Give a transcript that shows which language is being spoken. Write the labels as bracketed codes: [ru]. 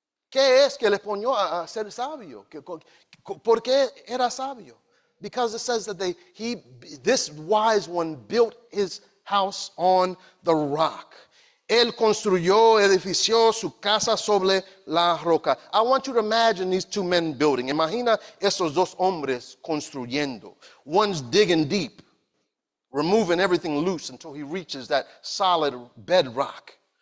[es] ¿Qué es que le ponió a ser sabio? ¿Por qué era sabio? [en] Because it says that this wise one built his house on the rock. [es] Él construyó, edificó su casa sobre la roca. [en] I want you to imagine these two men building. [es] Imagina esos dos hombres construyendo. [en] One's digging deep, removing everything loose until he reaches that solid bedrock.